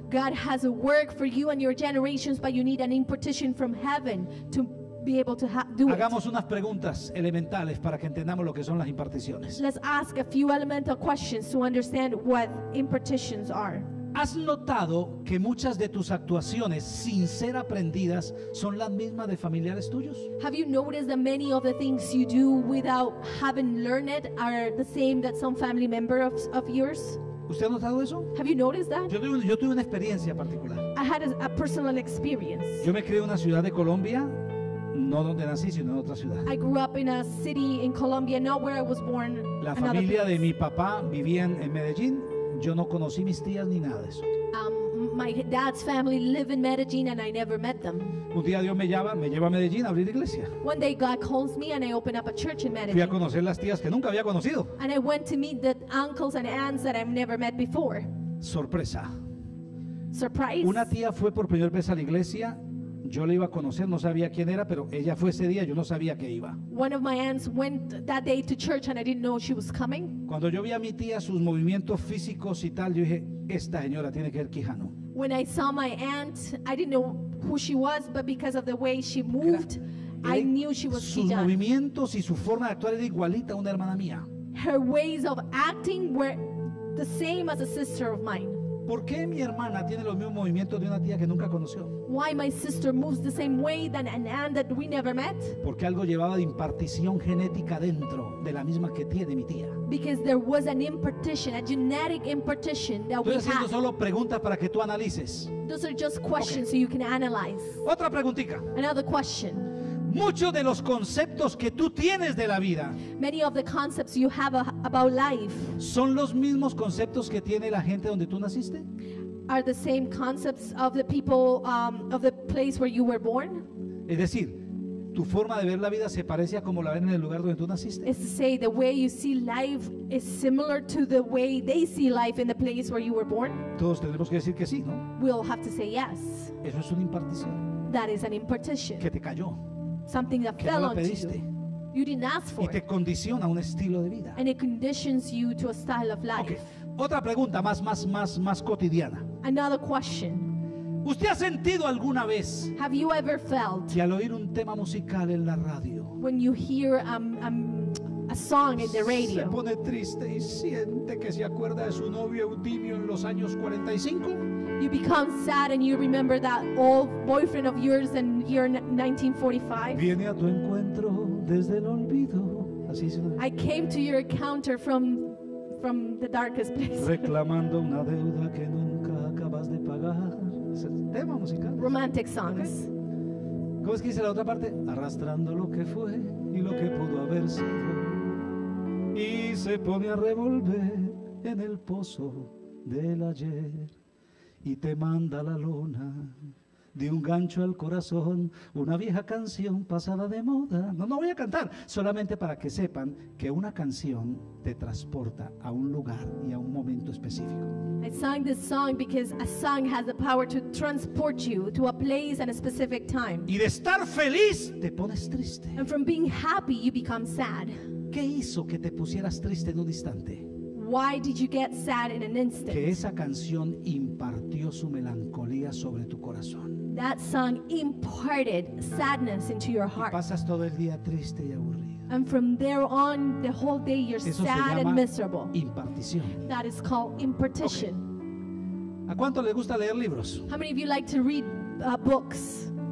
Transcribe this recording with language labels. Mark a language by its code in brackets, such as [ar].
[en] God has a work for you and your generations, but you need an impartition from heaven to be able to do it. [es] Hagamos unas preguntas elementales para que entendamos lo que son las imparticiones. [en] Let's ask a few elemental questions to understand what impartitions are. [es] ¿Has notado que muchas de tus actuaciones sin ser aprendidas son las mismas de familiares tuyos? [en] Have you noticed that many of the things you do without having learned it are the same that some family member of yours? [es] ¿Usted ha notado eso? [en] Have you noticed that? [es] Yo tuve una experiencia particular. [en] I had a personal experience. [es] Yo me crié en una ciudad de Colombia. No donde nací, sino en otra ciudad. [en] I grew up in a city in Colombia, not where I was born. [es] La familia de mi papá vivía en Medellín. Yo no conocí mis tías ni nada de eso. [en] My dad's family live in Medellín and I never met them. [es] Un día Dios me lleva a Medellín a abrir iglesia. [en] One day God calls me and I open up a church in Medellín. [es] Fui a conocer las tías que nunca había conocido. [en] And I went to meet the uncles and aunts that I've never met before. [es] Sorpresa. [en] Surprise. [es] Una tía fue por primera vez a la iglesia. Yo la iba a conocer, no sabía quién era, pero ella fue ese día, yo no sabía que iba. [en] One of my aunts went that day to church and I didn't know she was coming. [es] Cuando yo vi a mi tía, sus movimientos físicos y tal, yo dije, esta señora tiene que ser Quijano. [en] When I saw my aunt, I didn't know who she was, but because of the way she moved, I knew she was Quijano. [es] Sus movimientos y su forma de actuar era igualita a una hermana mía. [en] Her ways of acting were the same as a sister of mine. [es] ¿Por qué mi hermana tiene los mismos movimientos de una tía que nunca conoció? [en] Why my sister moves the same way than an aunt that we never met? [es] Porque algo llevaba de impartición genética dentro de la misma que tiene mi tía. [en] Because there was an impartition, a genetic impartition that we had. [es] Estoy haciendo solo preguntas para que tú analices. [en] Those are just questions so you can analyze. [es] Otra preguntita. [en] Another question. [es] Muchos de los conceptos que tú tienes de la vida, [en] many of the concepts you have about life, [es] son los mismos conceptos que tiene la gente donde tú naciste. [en] Are the same concepts of the people of the place where you were born. [es] Es decir, tu forma de ver la vida se parece a como la ven en el lugar donde tú naciste. [en] It's to say the way you see life is similar to the way they see life in the place where you were born. [es] Todos tenemos que decir que sí, ¿no? [en] We all have to say yes. [es] Eso es una impartición. [en] That is an impartition. [es] Que te cayó. [en] Something that fell onto you. You didn't ask for it. [es] Y te condiciona un estilo de vida. [en] And it conditions you to a style of life. [es] Okay. Otra pregunta más cotidiana. [en] Another question. [es] ¿Usted ha sentido alguna vez? [en] Have you ever felt? [es] Que al oír un tema musical en la radio. [en] When you hear a song in the radio. [es] Se pone triste y siente que se acuerda de su novio Eutimio en los años 45. [en] You become sad and you remember that old boyfriend of yours in year 1945. [es] Viene a tu encuentro desde el olvido. Así es. [en] I came to your encounter from the darkest place. [es] Reclamando una deuda que nunca acabas de pagar. Es el tema musical. [en] Romantic songs. [es] Okay. ¿Cómo es que dice la otra parte? Arrastrando lo que fue y lo que pudo haber sido. Y se pone a revolver en el pozo del ayer. Y te manda la luna de un gancho al corazón, una vieja canción pasada de moda. No voy a cantar, solamente para que sepan que una canción te transporta a un lugar y a un momento específico. [en] I sang this song because a song has the power to transport you to a place and a specific time. [es] Y de estar feliz te pones triste. [en] And from being happy you become sad. [es] ¿Qué hizo que te pusieras triste en un instante? [en] Why did you get sad in an instant? [es] Que esa canción impartió su melancolía sobre tu corazón. [en] That song imparted sadness into your heart. [es] Y pasas todo el día triste y aburrido. [en] And from there on, the whole day you're [es] Eso [en] sad and miserable. [es] Impartición. [en] That is called impartition. [es] Okay. ¿A cuánto les gusta leer libros? [en] How many of you like to read books?